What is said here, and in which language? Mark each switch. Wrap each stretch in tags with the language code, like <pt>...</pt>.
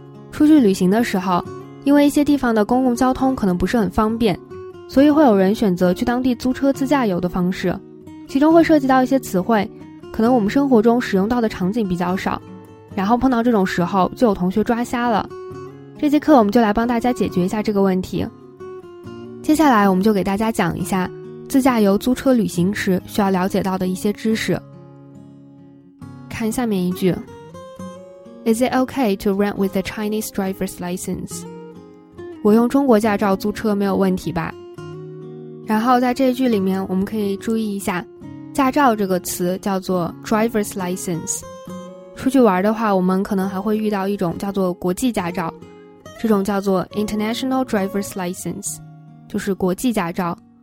<zh>出去旅行的时候，因为一些地方的公共交通可能不是很方便，所以会有人选择去当地租车自驾游的方式，其中会涉及到一些词汇，可能我们生活中使用到的场景比较少，然后碰到这种时候就有同学抓瞎了。这节课我们就来帮大家解决一下这个问题。接下来我们就给大家讲一下自驾游租车旅行时需要了解到的一些知识。看下面一句，</zh> <en>Is it okay to rent with a Chinese driver's license?</en> <zh>我用中国驾照租车没有问题吧？然后在这一句里面我们可以注意一下，驾照这个词叫做 driver's license。出去玩的话，我们可能还会遇到一种叫做国际驾照，这种叫做 international driver's license， 就是国际驾照。</zh>